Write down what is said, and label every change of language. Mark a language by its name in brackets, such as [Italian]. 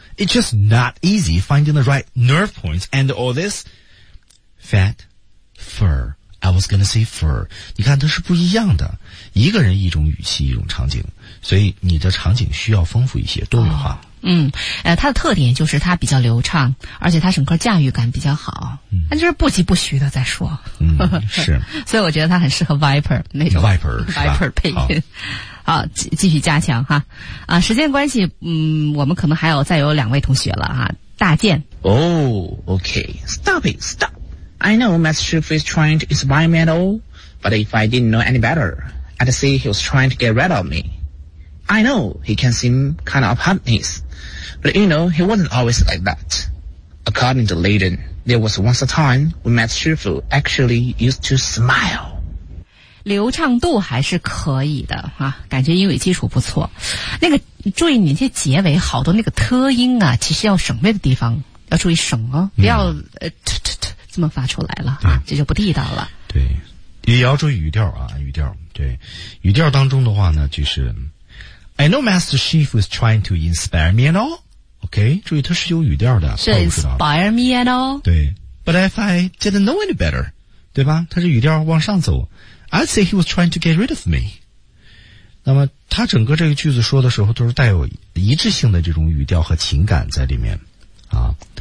[English] It's just not easy finding the right nerve points and all this fat fur. I was gonna say fur. [Chinese] 你看，它是不一样的，一个人一种语气，一种场景，所以你的场景需要丰富一些，多元化。它的特点就是它比较流畅，而且它整个驾驭感比较好，那就是不急不徐的在说。是，所以我觉得它很适合 Viper 那种 Viper 配音。好，继续加强哈。啊，时间关系，我们可能还有再有两位同学了哈。大健。 [English] Oh, okay, stop it. I know Master Shifu is trying to inspire me at all, but if I didn't know any better, I'd say he was trying to get rid of me. I know he can seem kind of obnoxious, but you know, he wasn't always like that. According to Layden, there was once a time when Matt Shifu actually used to smile. [Chinese] 流畅度还是可以的啊，感觉英语基础不错。那个注意你那些结尾好多那个特音啊，其实要省略的地方要注意省哦，不要这么发出来了啊，这就不地道了。对，也要注意语调啊，语调。对，语调当中的话呢，就是 [English] I know Master Chief is trying to inspire me and all. [Chinese] OK， 注意它是有语调的， [English] 是 inspire me and all。对 ，but if I didn't know any better， 对吧？ [Chinese] 它是语调往上走。 [English] I'd say he was trying to get rid of me。 [Chinese] 那么他整个这个句子说的时候，都是带有一致性的这种语调和情感在里面啊。